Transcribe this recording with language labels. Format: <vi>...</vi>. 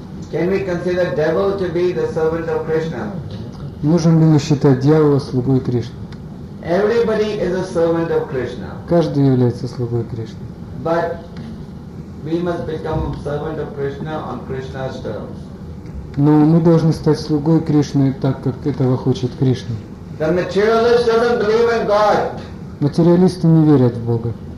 <en>Can we consider devil to be the servant of Krishna?</en> <ru>Можем ли мы считать дьявола слугой Кришны?</ru> <en>Everybody is a servant of Krishna.</en> <ru>Каждый является слугой Кришны.</ru> <en>But we must become servant of Krishna on Krishna's terms.</en> <ru>Но мы должны стать слугой Кришны так, как этого хочет Кришна.</ru> <en>The materialist doesn't believe in God.</en> <ru>Материалисты не верят в Бога.</ru>